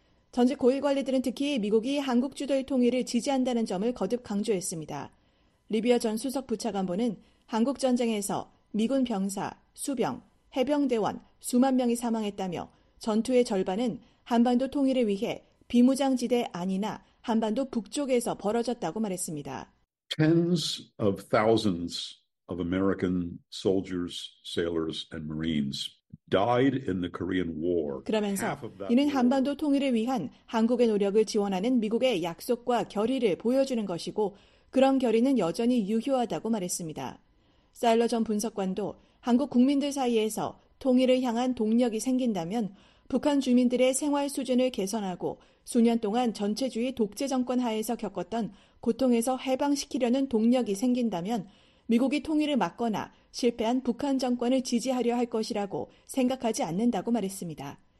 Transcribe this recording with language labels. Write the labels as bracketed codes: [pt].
[ko] 전직 고위 관리들은 특히 미국이 한국 주도의 통일을 지지한다는 점을 거듭 강조했습니다. 리비아 전 수석 부차관보는 한국 전쟁에서 미군 병사, 수병, 해병대원 수만 명이 사망했다며 전투의 절반은 한반도 통일을 위해 비무장지대 안이나 한반도 북쪽에서 벌어졌다고 말했습니다. [en] Tens of thousands of American soldiers, sailors, and Marines died in the Korean War. [ko] 그러면서 이는 한반도 통일을 위한 한국의 노력을 지원하는 미국의 약속과 결의를 보여주는 것이고 그런 결의는 여전히 유효하다고 말했습니다. 사일러 전 분석관도 한국 국민들 사이에서 통일을 향한 동력이 생긴다면 북한 주민들의 생활 수준을 개선하고 수년 동안 전체주의 독재 정권 하에서 겪었던 고통에서 해방시키려는 동력이 생긴다면 미국이 통일을 막거나 실패한 북한 정권을 지지하려 할 것이라고 생각하지 않는다고 말했습니다.